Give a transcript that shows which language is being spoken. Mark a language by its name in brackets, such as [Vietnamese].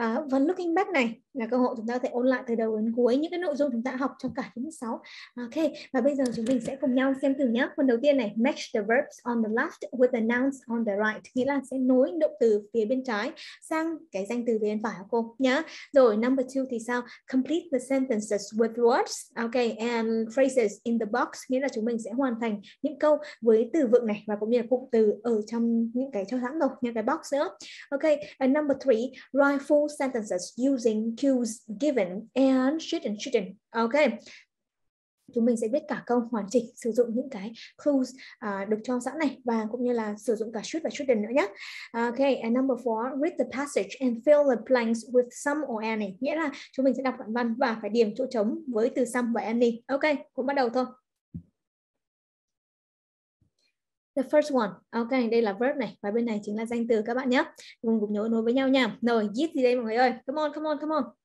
[Vietnamese] Vẫn looking back này là cơ hội chúng ta có thể ôn lại từ đầu đến cuối những cái nội dung chúng ta học trong cả Unit 6. Ok, và bây giờ chúng mình sẽ cùng nhau xem thử nhé. Phần đầu tiên này, [English] match the verbs on the left with the nouns on the right. [Vietnamese] Nghĩa là sẽ nối động từ phía bên trái sang cái danh từ bên phải của cô nhé. Rồi number 2 thì sao? [English] Complete the sentences with words, okay, and phrases in the box. [Vietnamese] Nghĩa là chúng mình sẽ hoàn thành những câu với từ vựng này và cũng như là cụm từ ở trong những cái cho sẵn rồi, những cái box nữa. [English] Okay, and number 3, write full sentences using cues given and shouldn't. Okay. [Vietnamese] Chúng mình sẽ viết cả câu hoàn chỉnh sử dụng những cái clues được cho sẵn này và cũng như là sử dụng cả should và shouldn't nữa nhé. [English] Okay, and number 4, read the passage and fill the blanks with some or any. [Vietnamese] Nghĩa là chúng mình sẽ đọc đoạn văn và phải điểm chỗ trống với từ some và any. Okay, cũng bắt đầu thôi. [English] The first one, [Vietnamese] okay, đây là verb này và bên này chính là danh từ các bạn nhé. Cùng cùng nhớ nối với nhau nha. Rồi, give gì đây mọi người ơi? [English] Come on.